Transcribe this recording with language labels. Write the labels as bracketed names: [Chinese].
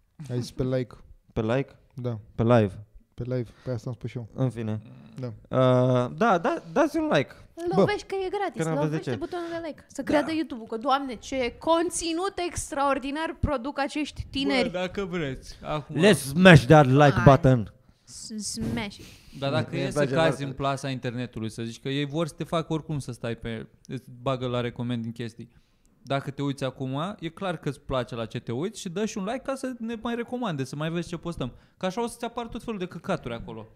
[Romanian] Ai zis pe like. Pe like? Da. Pe live. Pe live, pe asta am spus și eu. În fine. Da. Dați un like. Lovești că e gratis. Când lovește butonul de like. Să creadă YouTube-ul. Că, Doamne, ce conținut extraordinar produc acești tineri. Bă, dacă vreți. Acum. [English] Let's smash that like button. Smash. [Romanian] Dar dacă e să cazi în plasa internetului, să zici că ei vor să te facă oricum să stai pe... Îți bagă la recomand din chestii. Dacă te uiți acum, e clar că îți place la ce te uiți și dă și un like ca să ne mai recomande, să mai vezi ce postăm. Că așa o să-ți apară tot felul de căcaturi acolo.